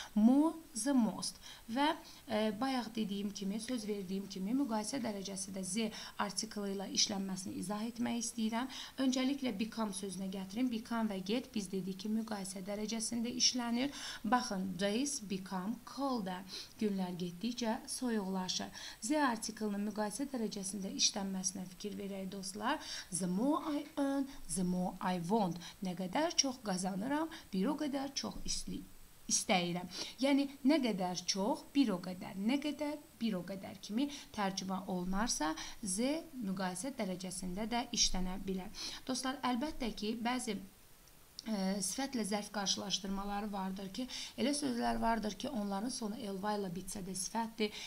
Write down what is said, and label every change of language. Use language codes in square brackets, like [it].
[az] More the most. Və bayaq dediyim kimi, söz verdiyim kimi müqayisə dərəcəsi də the artikli ilə işlənməsini izah etmək istəyirəm. Öncəliklə become sözünə gətirin. Become və get biz dedik ki, müqayisə dərəcəsində işlənir. Baxın, [en] days become colder. [az] Günlər getdikcə soyuqlaşır. The artiklinin müqayisə dərəcəsində işlənməsinə fikir verək dostlar. [en] The more I earn, the more I want. [az] Nə qədər çox qazanıram, bir o qədər çox istəyirəm. Yəni, nə qədər çox, bir o qədər, nə qədər, bir o qədər kimi tərcümə olunarsa, the müqayisə dərəcəsində də işlənə bilər. Dostlar, əlbəttə ki, bəzi sifətlə zərf qarşılaşdırmaları vardır ki, elə sözlər vardır ki, onların sonu ly ilə bitsə də sifətdir.